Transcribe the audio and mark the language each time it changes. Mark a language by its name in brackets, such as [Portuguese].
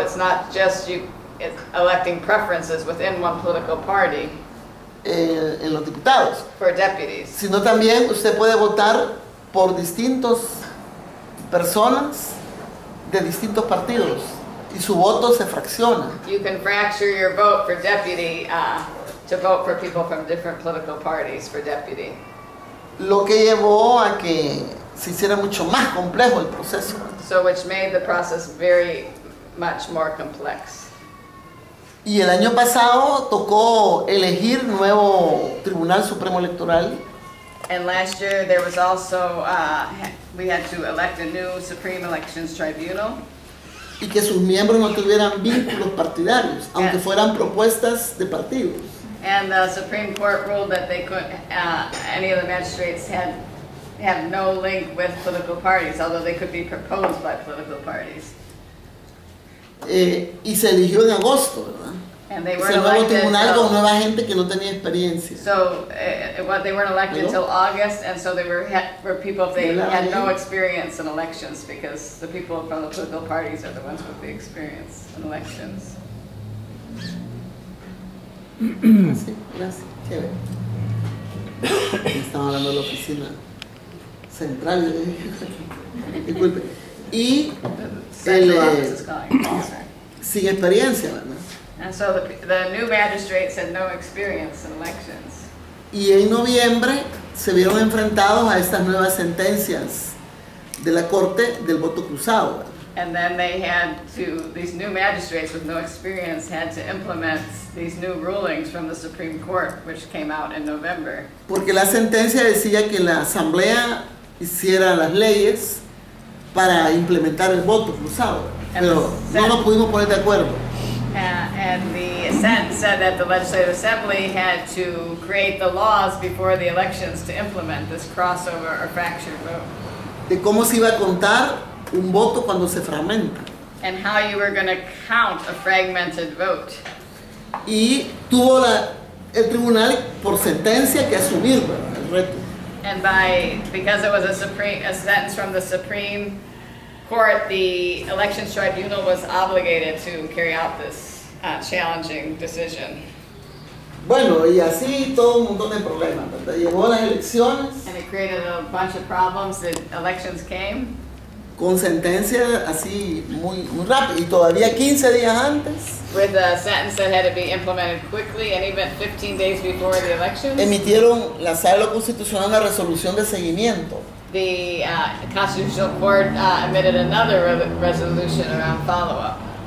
[English] It's not just you electing preferences within one political party. [Spanish] En los diputados. [English] For deputies. [Spanish] Sino también usted puede votar por distintos personas de distintos partidos y su voto se fracciona. [English] You can fracture your vote for deputy to vote for people from different political parties for deputy. [Spanish] Lo que llevó a que se hiciera mucho más complejo el proceso. [English] So which made the process very much more complex. [Spanish] Y el año pasado tocó elegir nuevo Tribunal Supremo Electoral. [English] And last year there was also we had to elect a new Supreme Elections Tribunal. [Spanish] Y que sus miembros no tuvieran vínculos partidarios, aunque fueran propuestas de partidos. [English] And the Supreme Court ruled that they could any of the magistrates had no link with political parties, although they could be proposed by political parties. [Spanish] Y se eligió en agosto, ¿verdad? [English] And they weren't elected. [Spanish] Se nuevo tribunal con nueva gente que no tenía experiencia. [English] So they weren't elected until August, and so they were people they had no experience in elections because the people from the political parties are the ones with the experience in elections. [Spanish] Gracias. Estamos hablando de la oficina central. Disculpe. Y el sin experiencia, ¿verdad? [English] And so the new magistrates had no experience in elections. [Spanish] Y en noviembre se vieron enfrentados a estas nuevas sentencias de la corte del voto cruzado. [English] And then they had to, these new magistrates with no experience had to implement these new rulings from the Supreme Court, which came out in November. [Spanish] Porque la sentencia decía que la asamblea hiciera las leyes para implementar el voto cruzado. Pero no nos pudimos poner de acuerdo. [English] And the sentence said that the Legislative Assembly had to create the laws before the elections to implement this crossover or fractured vote. [Spanish] De cómo se iba a contar un voto cuando se fragmenta. [English] And how you were going to count a fragmented vote. [Spanish] Y tuvo el tribunal por sentencia que asumir el reto. [English] And because it was a sentence from the Supreme Court, the Elections Tribunal was obligated to carry out this challenging decision. [Spanish] Bueno, y así todo un montón de problemas. Llegó las elecciones. [English] And it created a bunch of problems. The elections came. [Spanish] Con sentencia así muy, muy rápido. Y todavía 15 días antes. [English] With a sentence that had to be implemented quickly and even 15 days before the elections. [Spanish] Emitieron la sala constitucional una resolución de seguimiento. [English] The Constitutional Court emitted another resolution around follow-up.